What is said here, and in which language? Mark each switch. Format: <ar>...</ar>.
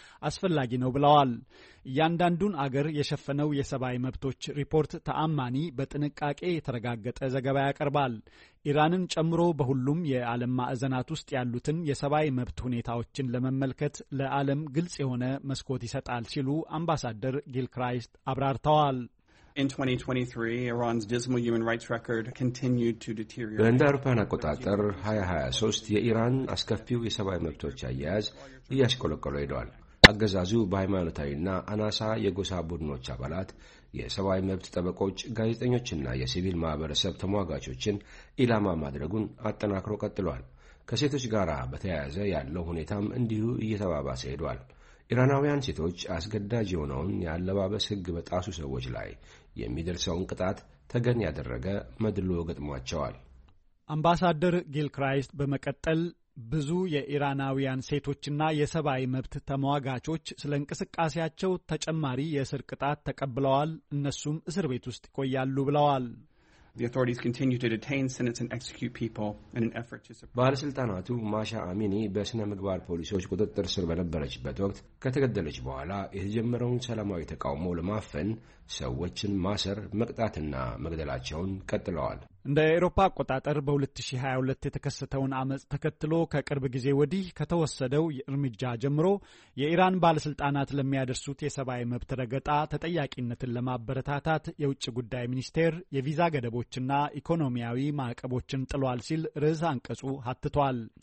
<am>አስፈላጊ ነው ብለዋል። እያንዳንዱን አገር የሸፈነው የሰብአዊ መብቶች ሪፖርት ተአማኒ፣ በጥንቃቄ የተረጋገጠ ዘገባ ያቀርባል። ኢራንን ጨምሮ በሁሉም የዓለም ማዕዘናት ውስጥ ያሉትን የሰብአዊ መብት ሁኔታዎችን ለመመልከት ለዓለም ግልጽ የሆነ መስኮት ይሰጣል ሲሉ አምባሳደር ጊልክራይስት አብራርተዋል።</am> <en>In 2023, Iran's dismal human rights record continued to deteriorate.</en> <am>በእንደ አውሮፓውያን አቆጣጠር 2023 የኢራን አስከፊው የሰብአዊ መብቶች አያያዝ እያሽቆለቆለ ሄዷል። አገዛዙ በሃይማኖታዊና አናሳ የጎሳ ቡድኖች አባላት፣ የሰብአዊ መብት ጠበቆች፣ ጋዜጠኞችና የሲቪል ማህበረሰብ ተሟጋቾችን ኢላማ ማድረጉን አጠናክሮ ቀጥሏል። ከሴቶች ጋር በተያያዘ ያለው ሁኔታም እንዲሁ እየተባባሰ ሄዷል። ኢራናውያን ሴቶች አስገዳጅ የሆነውን የአለባበስ ሕግ በጣሱ ሰዎች ላይ የሚደርሰውን ቅጣት ተገን ያደረገ መድሎ ገጥሟቸዋል። አምባሳደር ጊልክራይስት በመቀጠል ብዙ የኢራናውያን ሴቶችና የሰብአዊ መብት ተሟጋቾች ስለ እንቅስቃሴያቸው ተጨማሪ የእስር ቅጣት ተቀብለዋል፣ እነሱም እስር ቤት ውስጥ ይቆያሉ ብለዋል።</am> <en>The authorities continue to detain, sentence, and execute people in an effort to suppress.</en> <am>ባለስልጣናቱ ማሻ አሚኒ በስነ ምግባር ፖሊሶች ቁጥጥር ስር በነበረችበት ወቅት ከተገደለች በኋላ የተጀመረውን ሰላማዊ ተቃውሞ ለማፈን ሰዎችን ማሰር፣ መቅጣትና መግደላቸውን ቀጥለዋል። እንደ አውሮፓ አቆጣጠር በ2022 የተከሰተውን አመጽ ተከትሎ ከቅርብ ጊዜ ወዲህ ከተወሰደው እርምጃ ጀምሮ የኢራን ባለስልጣናት ለሚያደርሱት የሰብአዊ መብት ረገጣ ተጠያቂነትን ለማበረታታት የውጭ ጉዳይ ሚኒስቴር የቪዛ ገደቦችና ኢኮኖሚያዊ ማዕቀቦችን ጥሏል ሲል ርዕሰ አንቀጹ አትቷል።</am>